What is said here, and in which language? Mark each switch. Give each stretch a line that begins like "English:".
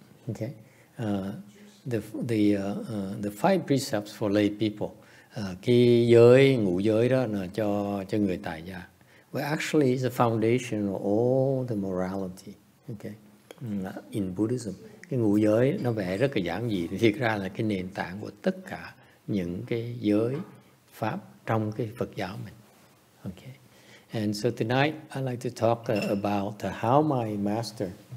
English: Okay, the five precepts for lay people,
Vietnamese: cái giới ngũ giới đó là cho người tại gia.
English: Well, actually, it's the foundation of all the morality. Okay, in Buddhism,
Vietnamese: cái ngũ giới nó vẽ rất là giản dị. Thực ra là cái nền tảng của tất cả những cái giới pháp trong cái Phật giáo mình.
English: Okay, and so tonight I'd like to talk about how my master.